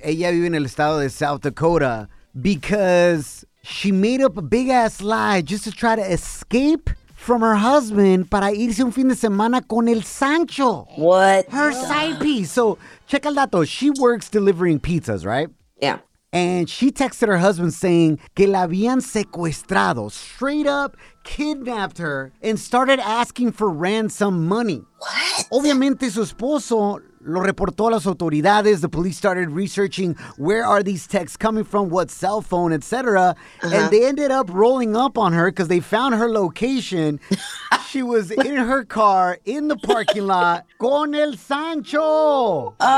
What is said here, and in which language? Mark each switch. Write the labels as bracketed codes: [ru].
[es] Ella vive en el estado de [en] South Dakota because she made up a big ass lie just to try to escape from her husband [es] para irse un fin de semana con el Sancho. [en] What? Her side piece. So, check [es] el dato. [en] She works delivering pizzas, right? Yeah. And she texted her husband saying [es] que la habían secuestrado, [en] straight up kidnapped her, and started asking for ransom money. What? [es] Obviamente, su esposo lo reportó a las autoridades. [en] The police started researching where are these texts coming from, what cell phone, etc. Uh-huh. And they ended up rolling up on her because they found her location. She was in her car in the parking lot [es] con el Sancho.